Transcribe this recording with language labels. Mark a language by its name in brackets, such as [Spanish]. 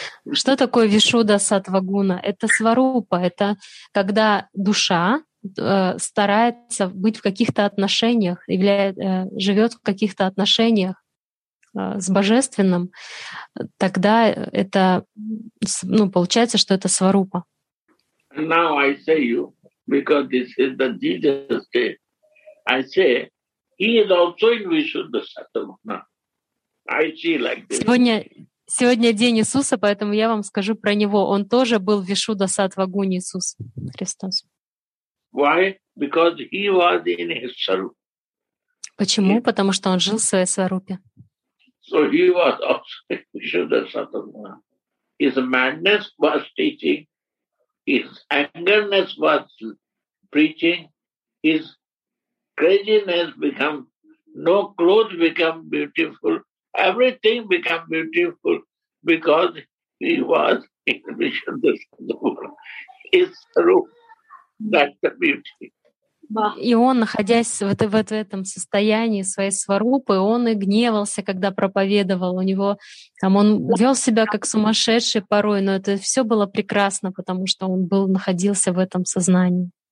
[Russian] Что такое Вишуда Сатвагуна? Это сварупа. Это когда душа старается быть в каких-то отношениях, живет в каких-то отношениях с божественным, тогда это, ну, получается, что это сварупа. [English] Now I say you, because this is the Jesus day, I say, he is also in Vishuddha Satoguna. I see like this. [Russian] Сегодня день Иисуса, поэтому я вам скажу про него. Он тоже был в Вишуда Сатвагуне, Иисус Христос. [English] Why? Because he was in his sarup. [Russian] Почему? Yeah. Потому что он жил в своей сварупе. [English] So he was also Vishuddha Satoguna. his madness was teaching, his angerness was preaching, his craziness become, no clothes become beautiful, everything become beautiful because he was in the mission of the Sadhguru. His room, that's the beauty. [Russian] И он, находясь в этом состоянии своей сварупы, он и гневался, когда проповедовал. У него там он вел себя как сумасшедший порой, но это все было прекрасно, потому что он был, находился в этом сознании.